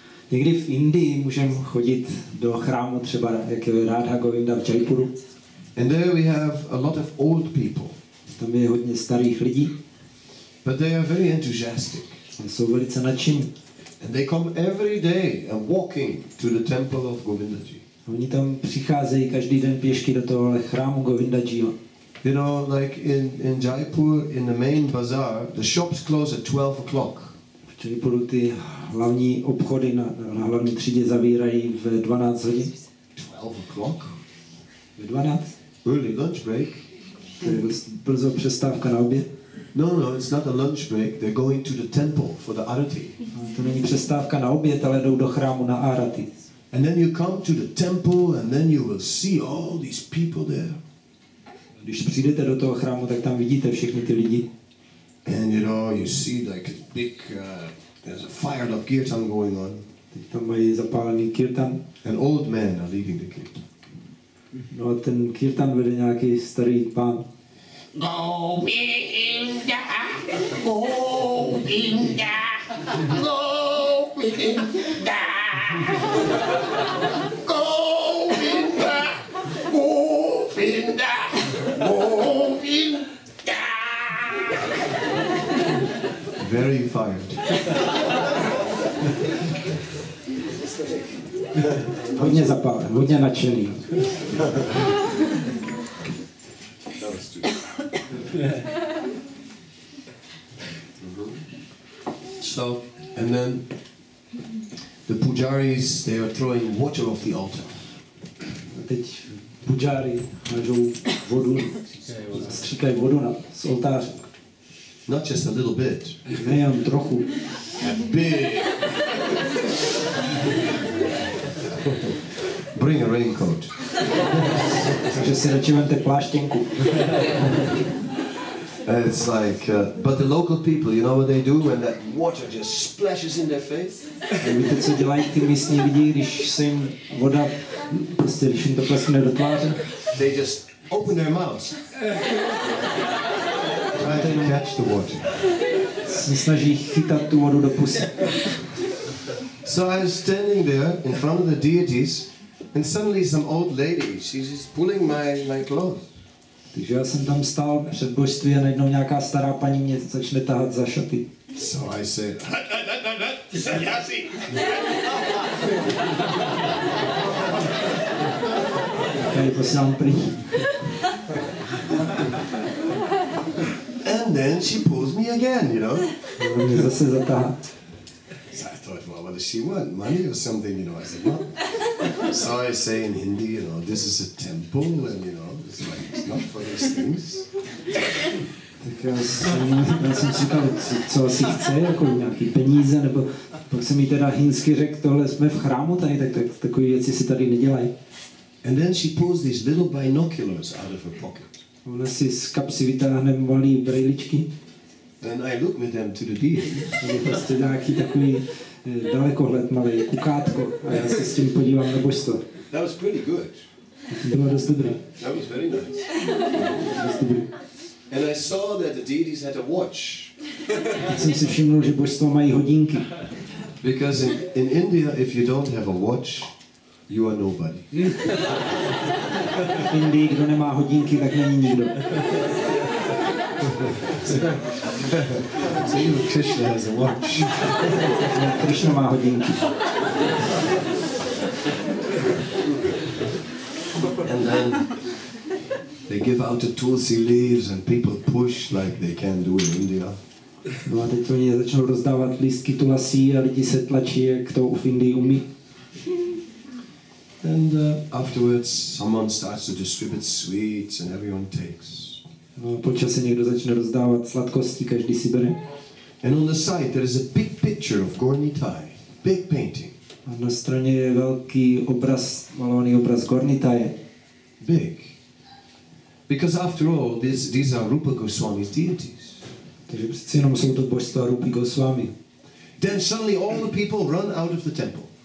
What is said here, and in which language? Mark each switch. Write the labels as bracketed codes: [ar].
[cs] Někdy v Indii můžeme chodit do chrámu třeba jak je Radha Govinda v Jaipuru. [en] And there we have a lot of old people. [cs] Tam je hodně starých lidí. [en] But they are very enthusiastic. [cs] Jsou velice nadšení. [en] And they come every day and walking to the temple of Govindaji. [cs] Oni tam přicházejí každý den pěšky do tohohle chrámu Govindajiho. [en] You know, like in Jaipur, in the main bazaar, the shops close at 12 o'clock. [cs] V Jaipuru ty hlavní obchody na hlavní třídě zavírají ve 12 hodin. [en] 12 o'clock? [cs] Ve 12. [en] Early lunch break. [cs] To je brzo přestávka na oběd. [en] No, it's not a lunch break. They're going to the temple for the arati. [cs] To není přestávka na oběd, ale jdou do chrámu na arati. [en] And then you come to the temple and then you will see all these people there. [cs] Když přijdete do toho chrámu, tak tam vidíte všechny ty lidi. [en] And you know, you see like a big there's a fired up kirtan going on. [cs] Teď tam mají zapálený kirtan. [en] An old man are leading the kirtan. [cs] No a ten kirtan vede nějaký starý pán. Go Binda! Go Binda! Go Binda! Go Binda! Go Binda! Go Binda! [en] Very fired. [cs] Hodně zapálen, hodně nadšený. [en] So, and then the pujaris, they are throwing water off the altar. [cs] Teď pujari hážou vodu, stříkají vodu na z oltáře. [en] Not just a little bit. [cs] Nejen trochu. [en] A big. Bring a raincoat. [cs] Takže si radši vemte pláštěnku. [en] It's like, but the local people, you know what they do when that water just splashes in their face? [cs] Víte, co dělají ty místní lidi, když se jim voda, prostě když jim to plesne do tváře? [en] They just open their mouths. Try to catch the water. [cs] Se snaží chytat tu vodu do pusy. [en] So I was standing there in front of the deities, and suddenly some old lady, she's just pulling my clothes. [cs] Takže já jsem tam stál před božství a najednou nějaká stará paní mě začne tahat za šaty. [en] So I said, sanyasi! [cs] Já ji posílám pryč. [en] And then she pulls me again, you know? [cs] Ona mě zase zatáhá. [en] So I thought, well, what does she want? Money or something, you know? I said, no. So I say in Hindi, you know, this is a temple, and you know, it's like, it's not for these things. [cs] Já jsem si říkal, co asi chce, jako nějaký peníze, nebo pak jsem jí teda hinsky řekl, tohle jsme v chrámu tady, tak takové věci si tady nedělají. [en] And then she pulls these little binoculars out of her pocket. [cs] Ona si z kapsy vytáhne malé brýličky. [en] And I look with them to the deity. [cs] Je prostě nějaký takový dalekohled malý, kukátko, a já se s tím podívám na božstvo. [en] That was pretty good. [cs] Bylo dost dobré. [en] That was very nice. And I saw that the deities had a watch. [cs] Jsem si všiml, že božstvo mají hodinky. [en] Because in India, if you don't have a watch, you are nobody. [cs] V Indii, kdo nemá hodinky, tak není nikdo. [en] So even Krishna has a watch. [cs] Krishna má hodinky. [en] And then they give out the tulsi leaves and people push like they can do in India. [cs] No a teď oni začnou rozdávat lístky tulasí a lidi se tlačí, jak to v Indii umí. [en] And afterwards someone starts to distribute sweets and everyone takes. [cs] No, po čase někdo začne rozdávat sladkosti, každý si bere. [en] And on the side there is a big picture of Gorni Thai, big painting. [cs] A na straně je velký obraz, malovaný obraz Gorni Thai. [en] Big. Because after all, these are Rupa Goswami's deities. [cs] Takže přeci jenom jsou to božstva Rupi Goswami. [en] Then suddenly all the people run out of the temple.